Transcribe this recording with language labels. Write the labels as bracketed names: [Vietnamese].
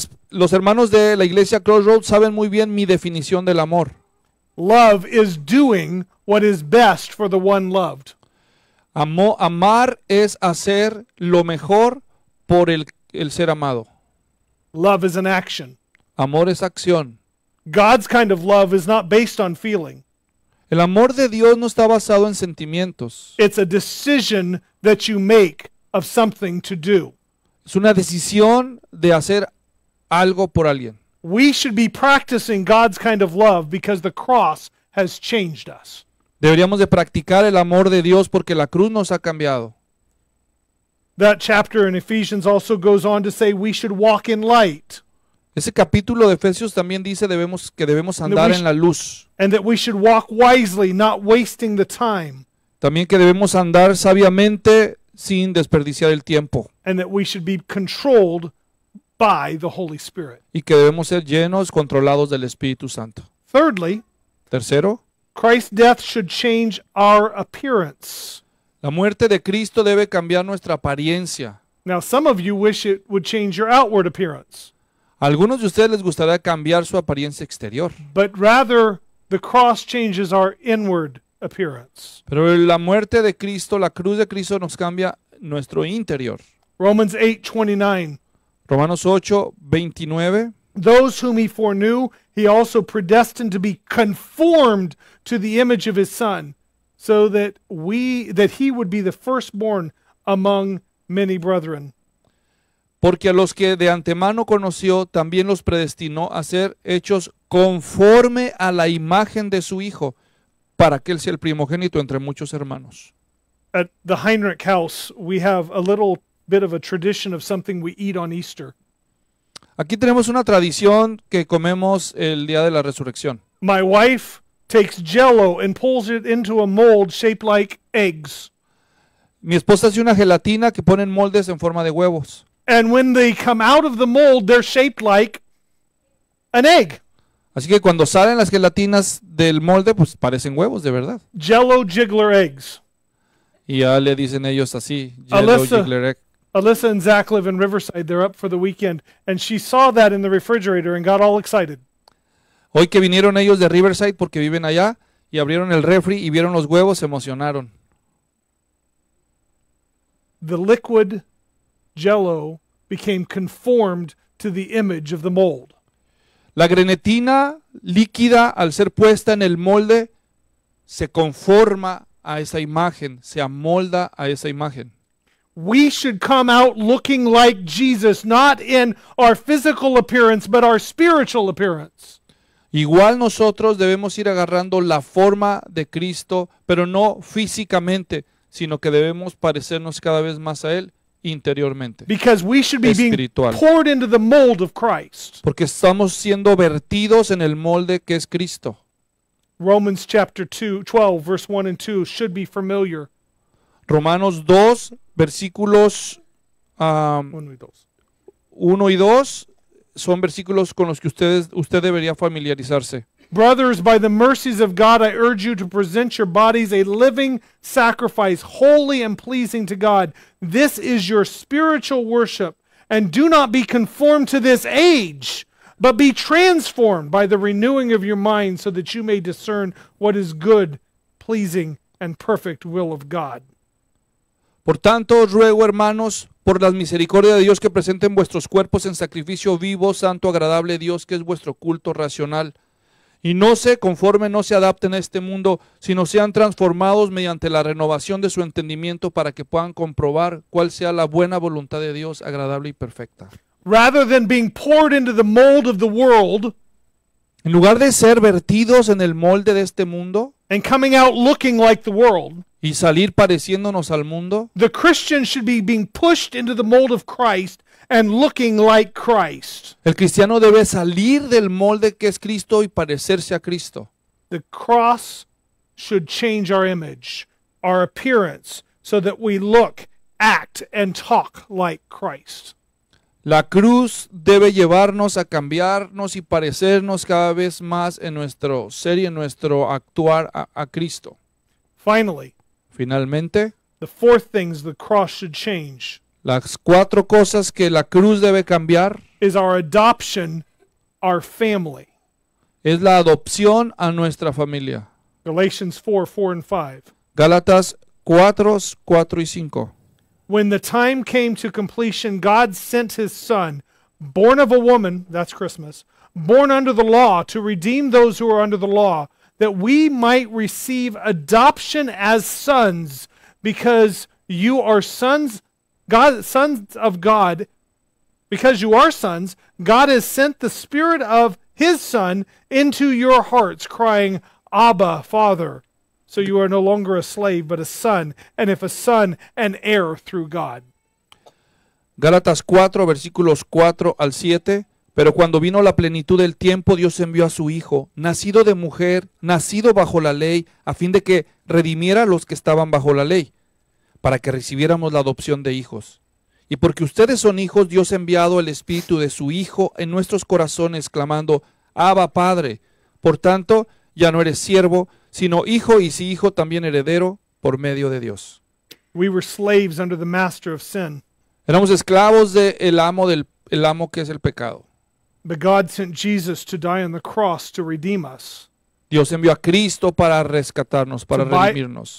[Spanish] Los hermanos de la iglesia Crossroads saben muy bien mi definición del amor. [English] Love is doing what is best for the one loved. [Spanish] Amar es hacer lo mejor por el ser amado. [English] Love is an action. [Spanish] Amor es acción. [English] God's kind of love is not based on feeling. [Spanish] El amor de Dios no está basado en sentimientos. [English] It's a decision that you make of something to do. [Spanish] Es una decisión de hacer algo por alguien. [English] We should be practicing God's kind of love because the cross has changed us. [Spanish] Deberíamos de practicar el amor de Dios porque la cruz nos ha cambiado. [English] That chapter in Ephesians also goes on to say we should walk in light. [Spanish] Ese capítulo de Efesios también dice que debemos andar en la luz. [English] And that we should walk wisely, not wasting the time. [Spanish] También que debemos andar sabiamente sin desperdiciar el tiempo. [English] And that we should be controlled by the Holy Spirit. [Spanish] Y que debemos ser llenos, controlados del Espíritu Santo. [English] Thirdly, [Spanish] tercero, [English] Christ's death should change our appearance. [Spanish] La muerte de Cristo debe cambiar nuestra apariencia. [English] Now, some of you wish it would change your outward appearance. [Spanish] Algunos de ustedes les gustaría cambiar su apariencia exterior. [English] But rather, the cross changes our inward appearance. [Spanish] Pero la muerte de Cristo, la cruz de Cristo, nos cambia nuestro interior. [English] Romans 8:29. [Spanish] Romanos 8:29. [English] Those whom he foreknew, he also predestined to be conformed to the image of his son, so that he would be the firstborn among many brethren. [Spanish] Porque a los que de antemano conoció, también los predestinó a ser hechos conforme a la imagen de su hijo, para que él sea el primogénito entre muchos hermanos. [English] At the Heinrich house, we have a little bit of a tradition of something we eat on Easter. [Spanish] Aquí tenemos una tradición que comemos el día de la resurrección. [English] My wife takes Jell-O and pulls it into a mold shaped like eggs. [Spanish] Mi esposa hace una gelatina que pone en moldes en forma de huevos. [English] And when they come out of the mold, they're shaped like an egg. [Spanish] Así que cuando salen las gelatinas del molde, pues parecen huevos de verdad. [English] Jell-O jiggler eggs. [Spanish] Y ya le dicen ellos así, Jell-O jiggler egg. [English] Alyssa and Zach live in Riverside. They're up for the weekend. And she saw that in the refrigerator and got all excited. [Spanish] Hoy que vinieron ellos de Riverside porque viven allá y abrieron el refri y vieron los huevos, se emocionaron. [English] The liquid Jell-O became conformed to the image of the mold. [Spanish] La grenetina líquida, al ser puesta en el molde, se conforma a esa imagen, se amolda a esa imagen. [English] We should come out looking like Jesus, not in our physical appearance, but our spiritual appearance. [Spanish] Igual nosotros debemos ir agarrando la forma de Cristo, pero no físicamente, sino que debemos parecernos cada vez más a Él interiormente. [English] Because we should be being poured into the mold of Christ. [Spanish] Porque estamos siendo vertidos en el molde que es Cristo. [English] Romans chapter 12, verse 1 and 2 should be familiar. [Spanish] Romanos 2, versículos 1 y 2 son versículos con los que usted debería familiarizarse. [English] Brothers, by the mercies of God, I urge you to present your bodies a living sacrifice, holy and pleasing to God. This is your spiritual worship, and do not be conformed to this age, but be transformed by the renewing of your mind so that you may discern what is good, pleasing, and perfect will of God. [Spanish] Por tanto, os ruego, hermanos, por las misericordias de Dios, que presenten vuestros cuerpos en sacrificio vivo, santo, agradable a Dios, que es vuestro culto racional. Y no se conformen, no se adapten a este mundo, sino sean transformados mediante la renovación de su entendimiento para que puedan comprobar cuál sea la buena voluntad de Dios, agradable y perfecta. [English] Rather than being poured into the mold of the world, [Spanish] en lugar de ser vertidos en el molde de este mundo, [English] and coming out looking like the world, [Spanish] y salir pareciéndonos al mundo, [English] the Christian should be being pushed into the mold of Christ and looking like Christ. [Spanish] El cristiano debe salir del molde que es Cristo y parecerse a Cristo. [English] The cross should change our image, our appearance, so that we look, act, and talk like Christ. [Spanish] La cruz debe llevarnos a cambiarnos y parecernos cada vez más en nuestro ser y en nuestro actuar a Cristo. [English] Finally, [Spanish] finalmente, [English] the fourth things the cross should change, [Spanish] las cuatro cosas que la cruz debe cambiar, [English] is our adoption, our family, [Spanish] es la adopción a nuestra familia. [English] Galatians 4:4 and 5. [Spanish] Gálatas 4:4 y 5. [English] When the time came to completion, God sent his son, born of a woman, that's Christmas, born under the law to redeem those who are under the law, that we might receive adoption as sons, because you are sons, God, sons of God, because you are sons, God has sent the spirit of his son into your hearts, crying, Abba, Father. So you are no longer a slave, but a son, and if a son, an heir through God. [Spanish] Gálatas 4, versículos 4 al 7. Pero cuando vino la plenitud del tiempo, Dios envió a su Hijo, nacido de mujer, nacido bajo la ley, a fin de que redimiera a los que estaban bajo la ley, para que recibiéramos la adopción de hijos. Y porque ustedes son hijos, Dios ha enviado el Espíritu de su Hijo en nuestros corazones, clamando, Abba, Padre. Por tanto, ya no eres siervo, sino hijo, y si hijo, también heredero por medio de Dios. [English] We were slaves under the master of sin. [Spanish] Éramos esclavos del amo, el amo que es el pecado. [English] But God sent Jesus to die on the cross to redeem us. [Spanish] Dios envió a Cristo para rescatarnos, para redimirnos.